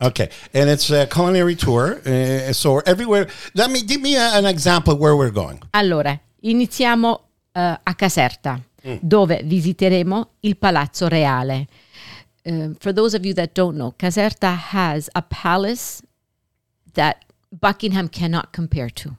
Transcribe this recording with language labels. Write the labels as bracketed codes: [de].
[en] Okay, and it's a culinary tour, so everywhere. Give me an example where we're going. [it] Allora, iniziamo a Caserta, dove visiteremo il Palazzo Reale. [en] For those of you that don't know, Caserta has a palace that Buckingham cannot compare to.